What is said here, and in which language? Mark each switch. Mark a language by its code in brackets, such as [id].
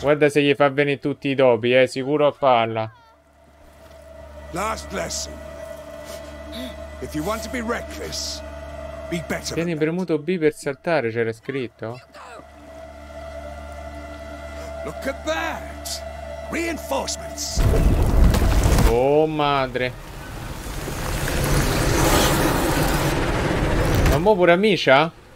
[it] Guarda se gli fa bene tutti i topi, sicuro a farla. [en] Last lesson. If you want to be reckless, be better. [it] Tieni premuto B per saltare, c'era scritto. [en] Look at that. Reinforcements. [it] Oh madre. Ma mo pure Amicia?